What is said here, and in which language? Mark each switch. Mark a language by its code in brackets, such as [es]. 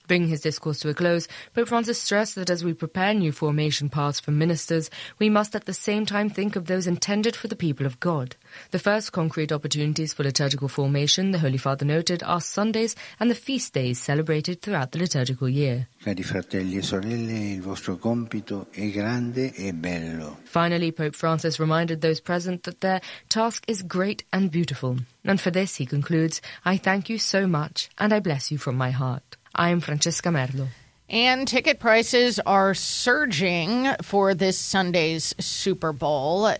[en] Bringing his discourse to a close, Pope Francis stressed that as we prepare new formation paths for ministers, we must at the same time think of those intended for the people of God. The first concrete opportunities for liturgical formation, the Holy Father noted, are Sundays and the feast days celebrated throughout the liturgical year. [it] Cari fratelli e sorelle, il vostro compito è grande e bello. [en] Finally, Pope Francis reminded those present that their task is great and beautiful. And for this, he concludes, I thank you so much and I bless you from my heart. I am Francesca Merlo. And ticket prices are surging for this Sunday's Super Bowl.